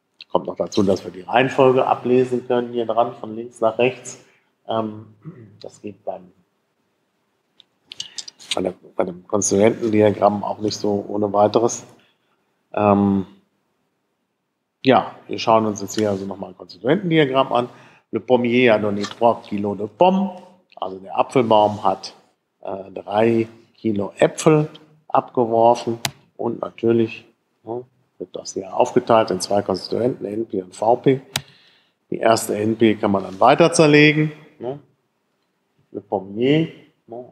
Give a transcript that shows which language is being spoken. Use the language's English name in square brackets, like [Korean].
[German] Kommt noch dazu, dass wir die Reihenfolge ablesen können hier dran, von links nach rechts. Das geht bei dem Konstituentendiagramm auch nicht so ohne weiteres. Ja, wir schauen uns jetzt hier also nochmal ein Konstituentendiagramm an. [French] Le pommier a donné 3 kilos de pommes. [German] Also der Apfelbaum hat 3 Kilo Äpfel abgeworfen und natürlich wird das ja aufgeteilt in zwei Konstituenten, NP und VP. Die erste NP kann man dann weiter zerlegen, ne? Le Pommier, ne?